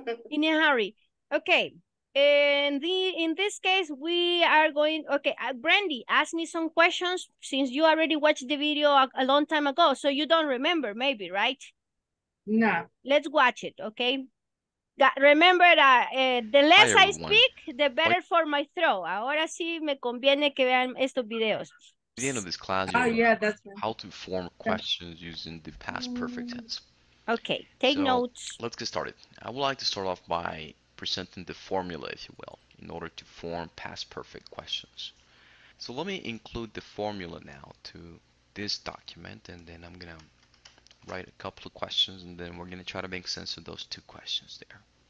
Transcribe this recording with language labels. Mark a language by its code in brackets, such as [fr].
[en] In a hurry. Okay. In this case, we are going. Okay, Brandy, ask me some questions since you already watched the video a long time ago, so you don't remember, maybe, right? No. Let's watch it. Okay. Remember that the less I speak, the better for my throat. [es] Ahora sí me conviene que vean estos videos. [en] At the end of this class, you know that's right. How to form questions using the past perfect tense. Okay, take notes. Let's get started. I would like to start off by presenting the formula, if you will, in order to form past perfect questions. So let me include the formula now to this document, and then I'm going to write a couple of questions, and then we're going to try to make sense of those two questions there.